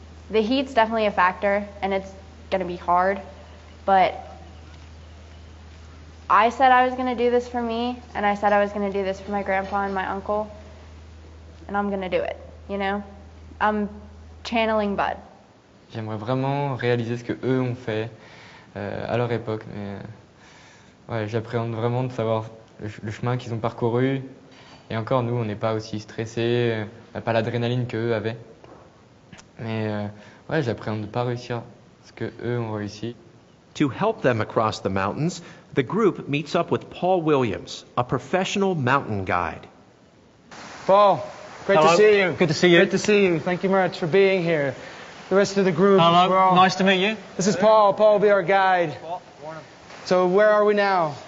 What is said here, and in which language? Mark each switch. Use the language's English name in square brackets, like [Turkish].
[English] The heat's definitely a factor, and it's going to be hard, but I said I was going to do this for me, and I said I was going to do this for my grandpa and my uncle, and I'm going to do it, you know? I'm channeling Bud. [French] J'aimerais vraiment réaliser ce que eux ont fait à leur époque, mais ouais, j'appréhende vraiment de savoir le chemin qu'ils ont parcouru. Et encore, nous, on n'est pas aussi stressés, on n'a pas l'adrénaline qu'eux avaient. Mais ouais, j'appréhende de ne pas réussir ce qu'eux ont réussi. [English] To help them across the mountains, the group meets up with Paul Williams, a professional mountain guide. Paul, great Hello. To see you. Good to see you. Great to see you. Thank you very much for being here. The rest of the group. Hello, nice to meet you. This is Paul. Paul will be our guide. So where are we now?